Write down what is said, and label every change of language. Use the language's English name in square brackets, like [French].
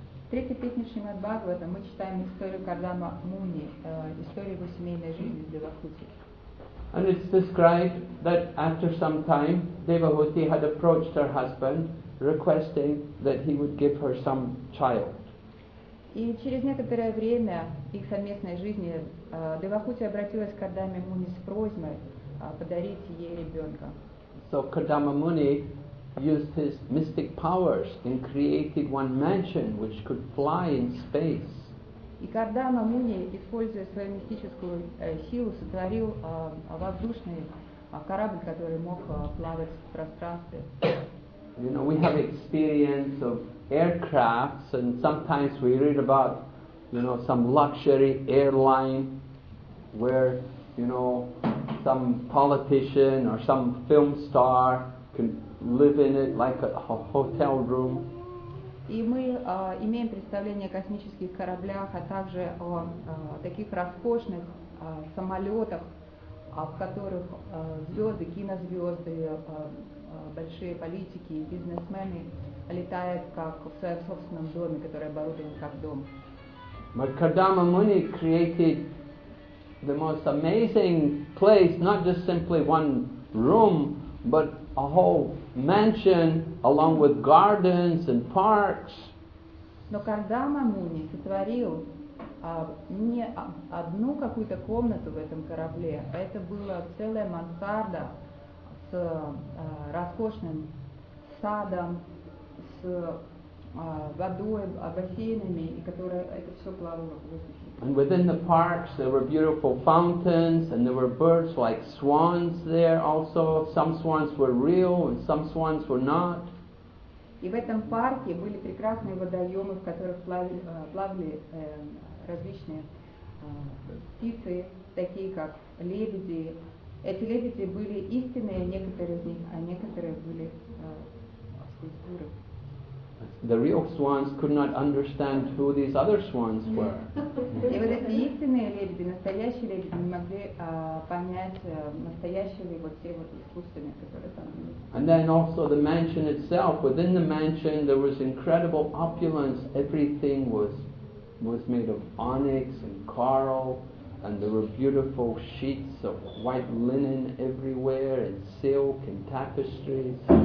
[English] And it's described that after some time, Devahuti had approached her husband, requesting that he would give her some child. [Russian] И через некоторое время их совместной жизни Девахути обратилась к Кардама Муни с просьбой подарить ей ребенка. [English] So Kardama Muni used his mystic powers and created one mansion which could fly in space. [Russian] И Кардама Муни, используя свою мистическую силу, сотворил воздушный корабль, который мог плавать в пространстве. [English] You know, we have experience of aircrafts, and sometimes we read about, you know, some luxury airline where, you know, some politician or some film star can live in it like a hotel room. [Russian] И мы имеем представление о космических кораблях, а также о таких роскошных самолетах, в которых звезды, кинозвезды, большие политики и бизнесмены летают как в своем собственном доме, который оборудован как дом. [English] But Kardama Muni created the most amazing place, not just simply one room, but a whole mansion along with gardens and parks. [Russian] Но Кардама Муни сотворил не одну какую-то комнату в этом корабле, а это была целая мансарда с роскошным садом, с водой, бассейнами, и которое это все плавало в воздухе. [English] And within the parks there were beautiful fountains, and there were birds like swans there also. Some swans were real, and some swans were not. [Russian] И в этом парке были прекрасные водоемы, в которых плавали различные птицы, такие как лебеди. Эти лебеди были истинные, некоторые из них, а некоторые были скульптуры. [English] The real swans could not understand who these other swans were. [Russian] И вот эти истинные лебеди, настоящие лебеди, не могли понять, настоящие ли вот те вот искусственные, которые там были. [English] And then also the mansion itself. Within the mansion there was incredible opulence. Everything was made of onyx and coral. And there were beautiful sheets of white linen everywhere, and silk and tapestries.